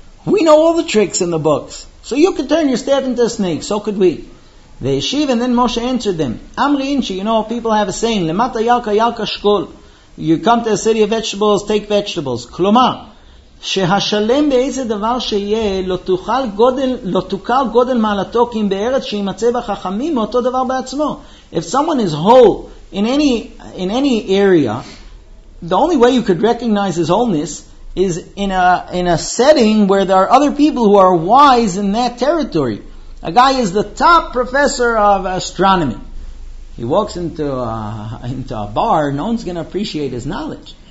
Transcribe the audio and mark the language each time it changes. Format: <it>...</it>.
<en>We know all the tricks in the books. So you could turn your staff into a snake. So could we. They shiva, and then Moshe answered them.</en> <arc>Amri inchi,</arc> <en>you know, people have a saying,</en> <arc>Lemata yalka yalka shkol.</arc> <en>You come to a city of vegetables, take vegetables.</en> <he>Kloma. שהשלם באיזה דבר שיהיה לא תוכל גודל מעלתו כי אם בארץ שימצא בחכמים מאותו דבר בעצמו.</he> <en>If someone is whole in any area, the only way you could recognize his wholeness is in a setting where there are other people who are wise in that territory. A guy is the top professor of astronomy. He walks into a bar, no one's going to appreciate his knowledge.</en>